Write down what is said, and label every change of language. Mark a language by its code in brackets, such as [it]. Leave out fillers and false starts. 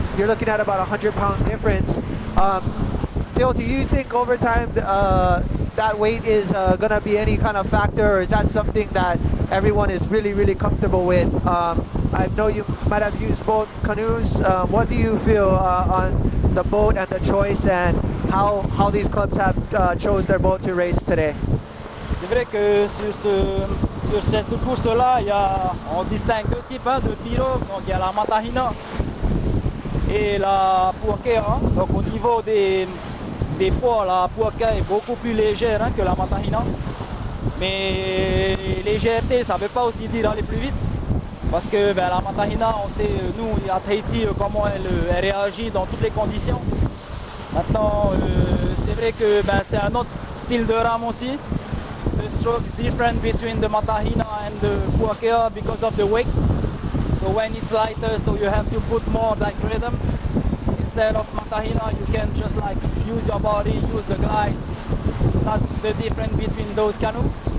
[en] You're looking at about 100 pound difference. Dale, do you think over time that weight is gonna be any kind of factor, or is that something that everyone is really, really comfortable with? I know you might have used both canoes. What do you feel on the boat and the choice, and how these clubs have chose their boat to race today? [fr] C'est vrai que sur cette course-là, il y a, on distingue deux types hein, de pirogues. Donc il y a la Matahina et la Puaké. Hein. Donc au niveau des poids, la Puaké est beaucoup plus légère hein, que la Matahina. Mais légèreté, ça ne veut pas aussi dire aller plus vite. Parce que ben, la Matahina, on sait, nous, à Tahiti, comment elle réagit dans toutes les conditions. Maintenant, c'est vrai que ben, c'est un autre style de rame aussi. [en] The stroke is different between the Matahina and the Puakea because of the wake. So when it's lighter, so you have to put more like rhythm. Instead of Matahina, you can just like use your body, use the glide. That's the difference between those canoes.